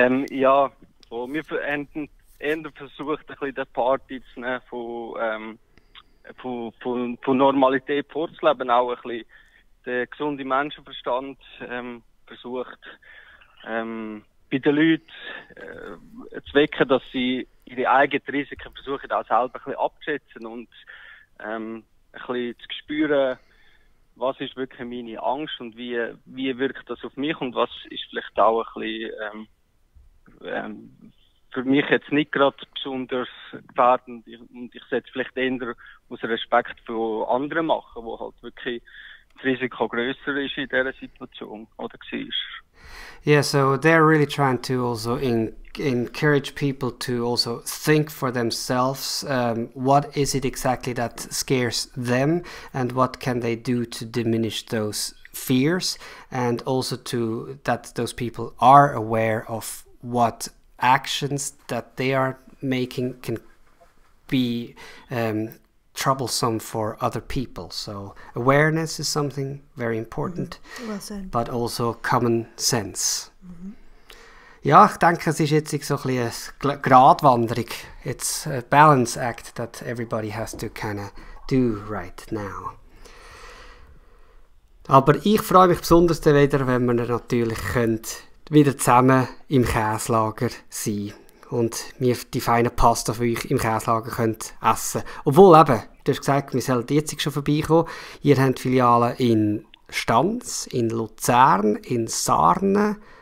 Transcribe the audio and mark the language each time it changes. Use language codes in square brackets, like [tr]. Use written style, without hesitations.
[de] ja, so, wir haben eher versucht, ein bisschen die Party zu nehmen, von Normalität vorzuleben, auch ein bisschen den gesunden Menschenverstand versucht, bei den Leuten zu wecken, dass sie ihre eigenen Risiken versuchen, auch selber ein bisschen abzuschätzen und ein bisschen zu spüren, was ist wirklich meine Angst und wie wirkt das auf mich und was ist vielleicht auch ein bisschen für mich jetzt nicht gerade besonders gefährdend und ich sollte vielleicht eher aus Respekt für andere machen, wo halt wirklich das Risiko grösser ist in dieser Situation oder war. [en] Yeah, so they're really trying to also encourage people to also think for themselves. What is it exactly that scares them, and what can they do to diminish those fears? And also to that those people are aware of what actions that they are making can be troublesome for other people. So awareness is something very important, well said. But also common sense. Mm-hmm. [de] Ja, ich denke, es ist jetzt so ein bisschen eine Gratwanderung. [en] It's a balance act that everybody has to kind of do right now. [de] Aber ich freue mich besonders wieder, wenn wir natürlich wieder zusammen im Käslager sein und wir die feine Pasta für euch im Käslager könnt essen. Obwohl eben, du hast gesagt, wir sollen jetzt schon vorbeikommen. Ihr habt Filialen in Stans, in Luzern, in Sarnen.